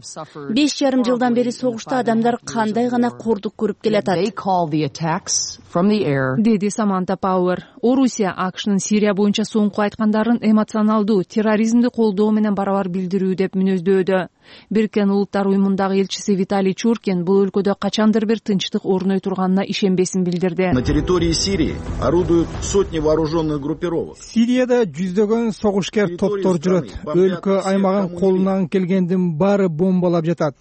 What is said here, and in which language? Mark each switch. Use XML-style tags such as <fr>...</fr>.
<ky>5.5 жылдан бери согушта адамдар кандай гана кордук көрүп келатат, деди Саманта Пау. Орусия АКШнын Сирия боюнча соңку айткандарын эмоционалдуу терроризмди колдоо менен барабар билдирүү деп мүнөздөдү. Бириккен Улуттар Уюмундагы элчиси Виталий Чуркин бул өлкөдө качандыр бир тынчтык орной турганына ишенбесин билдирди.</ky> <ru>На территории Сирии орудуют сотни вооруженных группировок.</ru> <ky>Сирияда жүздөгөн согушкер топтор жүрөт. Өлкө аймагын колунан келгендин баары бомбалап жатат.</ky>